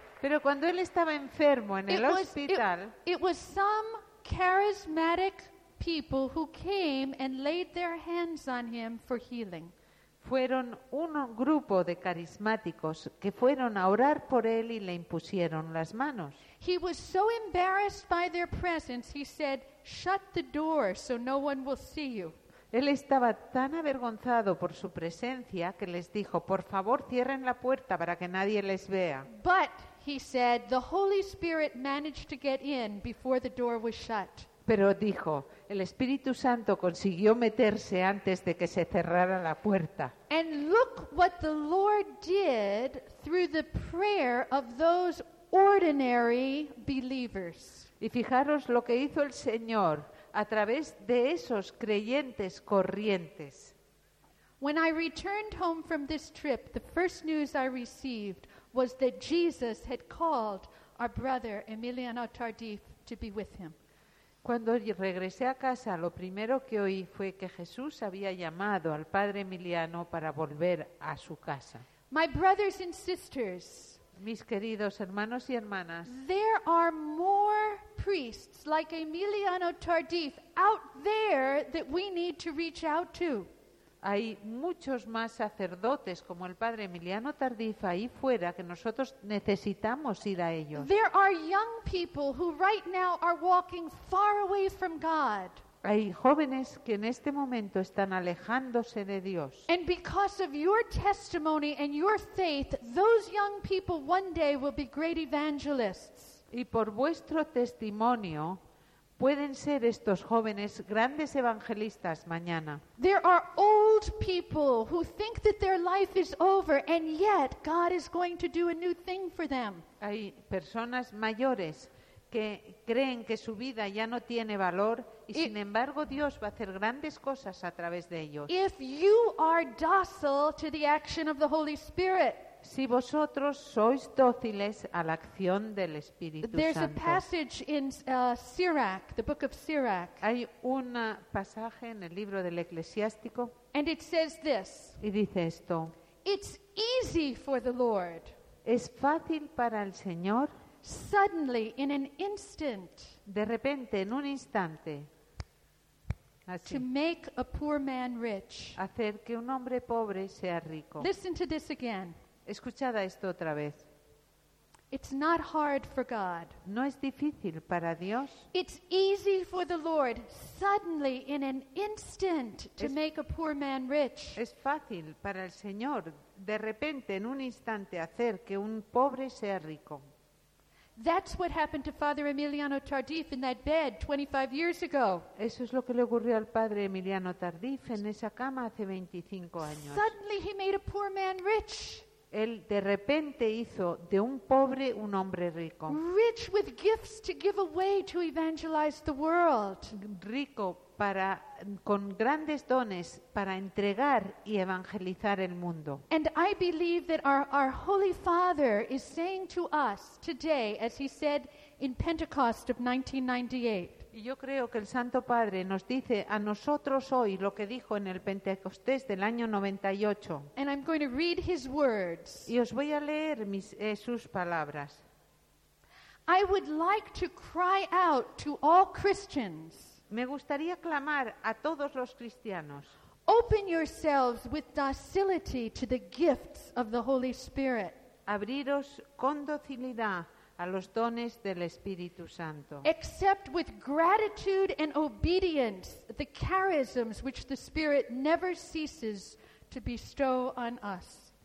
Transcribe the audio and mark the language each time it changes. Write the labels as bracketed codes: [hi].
[es] pero cuando él estaba enfermo en el hospital, [en] it was some charismatic people who came and laid their hands on him for healing. [es] Fueron un grupo de carismáticos que fueron a orar por él y le impusieron las manos. [en] He was so embarrassed by their presence, he said, "Shut the door so no one will see you." [es] Él estaba tan avergonzado por su presencia que les dijo, "Por favor, cierren la puerta para que nadie les vea." [en] But he said, "The Holy Spirit managed to get in before the door was shut." [es] Pero dijo, el Espíritu Santo consiguió meterse antes de que se cerrara la puerta. [en] And look what the Lord did through the prayer of those ordinary believers. [es] Y fijaros lo que hizo el Señor a través de esos creyentes corrientes. [en] When I returned home from this trip, the first news I received was that Jesus had called our brother Emiliano Tardif to be with him. [es] Cuando regresé a casa, lo primero que oí fue que Jesús había llamado al padre Emiliano para volver a su casa. [en] My brothers and sisters, [es] mis queridos hermanos y hermanas, [en] there are more priests like Emiliano Tardif out there that we need to reach out to. [es] Hay muchos más sacerdotes como el padre Emiliano Tardif ahí fuera que nosotros necesitamos ir a ellos. [en] There are young people who right now are walking far away from God. [es] Hay jóvenes que en este momento están alejándose de Dios. [en] And because of your testimony and your faith, those young people one day will be great evangelists. [es] Y por vuestro testimonio pueden ser estos jóvenes grandes evangelistas mañana. [en] There are old people who think that their life is over and yet God is going to do a new thing for them. [es] Hay personas mayores que creen que su vida ya no tiene valor y sin embargo Dios va a hacer grandes cosas a través de ellos. [en] If you are docile to the action of the Holy Spirit. [es] Si vosotros sois dóciles a la acción del Espíritu Santo. [en] There's a passage in Sirach, the book of Sirach. [es] Hay un pasaje en el libro del Eclesiástico. [en] And it says this. [es] Y dice esto. [en] It's easy for the Lord. [es] Es fácil para el Señor. [en] Suddenly, in an instant. [es] De repente, en un instante. Así. [en] To make a poor man rich. [es] Hacer que un hombre pobre sea rico. [en] Listen to this again. [es] Escuchad esto otra vez. [en] It's not hard for God. [es] No es difícil para Dios. [en] It's easy for the Lord, suddenly in an instant to make a poor man rich. [es] Es fácil para el Señor de repente en un instante hacer que un pobre sea rico. [en] That's what happened to Father Emiliano Tardif in that bed 25 years ago. [es] Eso es lo que le ocurrió al padre Emiliano Tardif en esa cama hace 25 años. [en] Suddenly he made a poor man rich. [es] Él de repente hizo de un pobre un hombre rico. [en] Rich with gifts to give away to evangelize the world. [es] Rico para con grandes dones para entregar y evangelizar el mundo. [en] And I believe that our Holy Father is saying to us today, as he said in Pentecost of 1998. [es] Y yo creo que el Santo Padre nos dice a nosotros hoy lo que dijo en el Pentecostés del año 98. [en] And I'm going to read his words. [es] Y os voy a leer sus palabras. [en] I would like to cry out to all Christians. [es] Me gustaría clamar a todos los cristianos. [en] Open yourselves with docility to the gifts of the Holy Spirit. [es] Abriros con docilidad a los dones del Espíritu Santo. [en] Accept with gratitude and obedience the charisms which the Spirit never ceases to bestow on us.